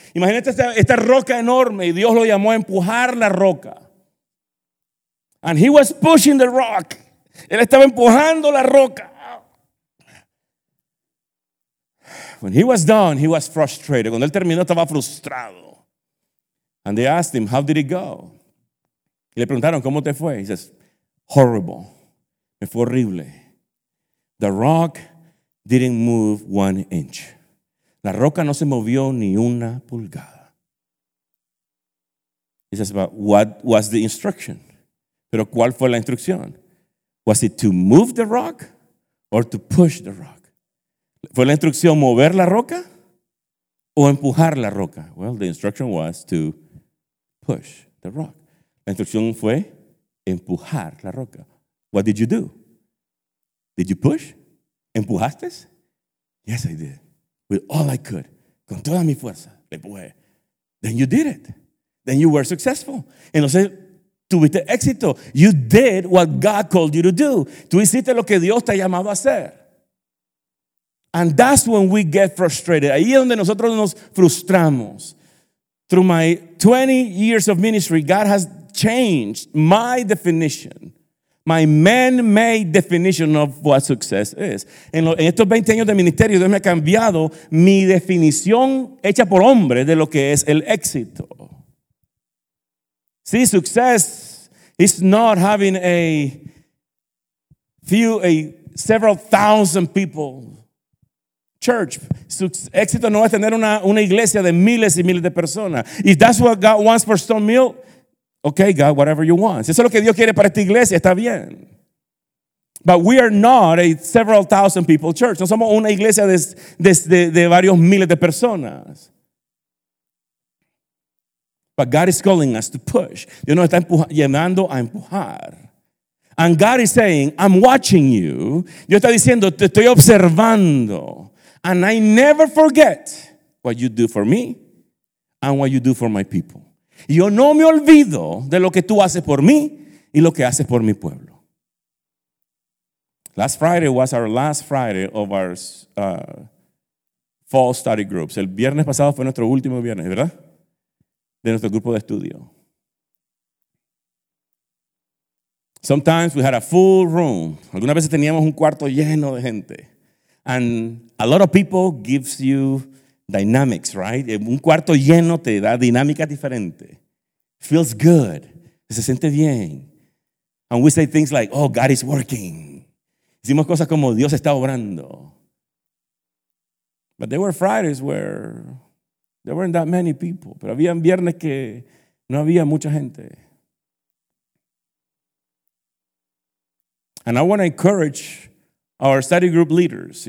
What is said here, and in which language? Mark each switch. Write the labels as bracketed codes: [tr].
[es] Imagínate esta roca enorme y Dios lo llamó a empujar la roca. [en] And he was pushing the rock. [es] Él estaba empujando la roca. [en] When he was done, he was frustrated. [es] Cuando él terminó, estaba frustrado. [en] And they asked him, how did it go? [es] Y le preguntaron, ¿cómo te fue? [en] He says, horrible. [es] Me fue horrible. [en] The rock didn't move one inch. [es] La roca no se movió ni una pulgada. [en] He says, but what was the instruction? [es] Pero ¿cuál fue la instrucción? [en] Was it to move the rock or to push the rock? [es] ¿Fue la instrucción mover la roca o empujar la roca? [en] Well, the instruction was to push the rock. [es] La instrucción fue empujar la roca. [en] What did you do? Did you push? [es] ¿Empujaste? [en] Yes, I did. With all I could, [es] con toda mi fuerza, le empujé. [en] Then you did it. Then you were successful. [es] Entonces, tuviste éxito. [en] You did what God called you to do. [es] Tú hiciste lo que Dios te ha llamado a hacer. [en] And that's when we get frustrated. [es] Ahí es donde nosotros nos frustramos. [en] Through my 20 years of ministry, God has changed my definition. My man-made definition of what success is. [es] En estos 20 años de ministerio, Dios me ha cambiado mi definición hecha por hombre de lo que es el éxito. [en] See, success is not having several thousand people church. [es] Éxito no es tener una iglesia de miles y miles de personas. [en] If that's what God wants for Stone Mill, okay, God, whatever you want. [es] Si eso es lo que Dios quiere para esta iglesia, está bien. [en] But we are not a several thousand people church. [es] No somos una iglesia de varios miles de personas. [en] But God is calling us to push. [es] Dios nos está llamando a empujar. [en] And God is saying, I'm watching you. [es] Dios está diciendo, te estoy observando. [en] And I never forget what you do for me and what you do for my people. [es] Yo no me olvido de lo que tú haces por mí y lo que haces por mi pueblo. [en] Last Friday was our last Friday of our fall study groups. [es] El viernes pasado fue nuestro último viernes, ¿verdad? De nuestro grupo de estudio. [en] Sometimes we had a full room. [es] Algunas veces teníamos un cuarto lleno de gente. [en] And a lot of people gives you dynamics, right? [es] Un cuarto lleno te da dinámica diferente. [en] Feels good. [es] Se siente bien. [en] And we say things like, oh, God is working. [es] Hicimos cosas como Dios está obrando. [en] But there were Fridays where there weren't that many people. [es] Pero había viernes que no había mucha gente. [en] And I want to encourage our study group leaders.